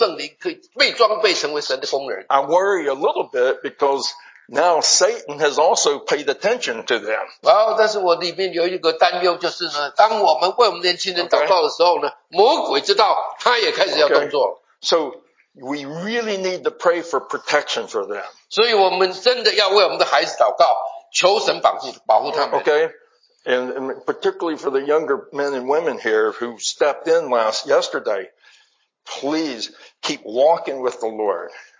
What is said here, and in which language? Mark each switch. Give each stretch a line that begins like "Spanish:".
Chinese: 所以呢，昨天我们已经按照圣经所说的什么，开始为我们的年轻人祷告，让他们可以领受圣灵，可以被装备成为神的工人。
English: I worry a little bit because now Satan has also paid attention to them. Well,
Chinese: 但是我里面有一个担忧，就是呢，当我们为我们年轻人祷告的时候呢，魔鬼知道，他也开始要动作了。
English: We really need to pray for protection for them.
Chinese: 所以我们真的要为我们的孩子祷告，求神保护他们。
English: Okay, and particularly for the younger men and women here who stepped in yesterday, please keep walking with the Lord.